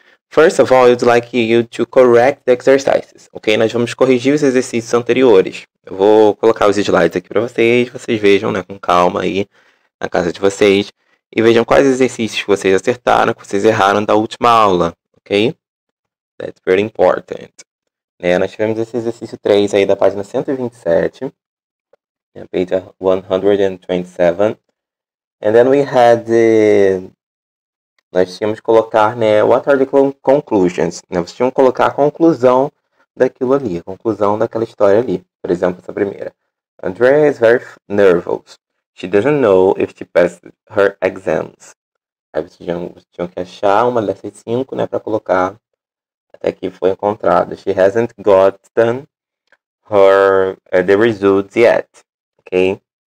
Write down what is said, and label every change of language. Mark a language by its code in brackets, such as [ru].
[en] First of all, I would like you to correct the exercises. [pt] Ok? Nós vamos corrigir os exercícios anteriores. Eu vou colocar os slides aqui para vocês. Vocês vejam, né, com calma aí na casa de vocês. E vejam quais exercícios vocês acertaram, que vocês erraram da última aula. Ok? [en] That's very important. [pt] É, nós tivemos esse exercício 3 aí da página 127, [en] yeah, page 127. And then we had, [pt] nós tínhamos que colocar, né, [en] what are the conclusions? [pt] Né, vocês tinham que colocar a conclusão daquilo ali, a conclusão daquela história ali. Por exemplo, essa primeira. [en] Andrea is very nervous. She doesn't know if she passed her exams. [pt] Aí vocês tinham que achar uma dessas 5, né, para colocar... Até que foi encontrado. [en] She hasn't gotten her the results yet. Ok?